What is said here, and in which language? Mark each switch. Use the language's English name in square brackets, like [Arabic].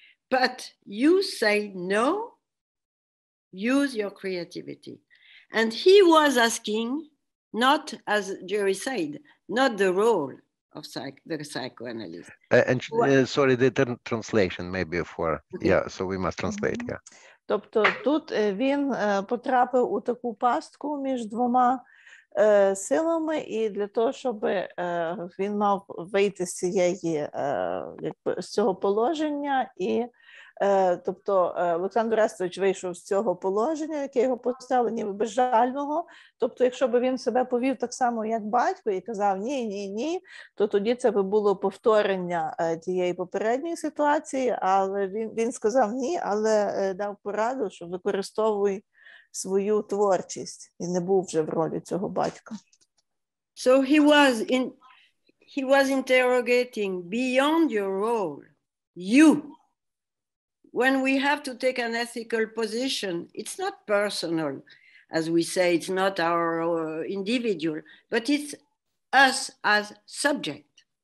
[English] But you say no, use your creativity. And he was asking, not as Jerry said, not the role of the psychoanalyst. Sorry, the translation maybe for, so we must translate, [Ukrainian] Тобто тут він потрапив у таку пастку між двома силами і для того, щоб він мав вийти з цієї якби з цього положення і тобто Олександр Арестович вийшов з цього положення, яке його поставили, ніби безжального. Тобто, якщо б він себе повів так само, як батько, і казав ні, то тоді це би було повторення тієї попередньої ситуації, але він сказав ні, але дав пораду, що використовуй свою творчість і не був вже в ролі цього батька. [English] So he was interrogating beyond your role, you. When we have to take an ethical position, it's not personal, as we say, it's not our individual, but it's us as subject.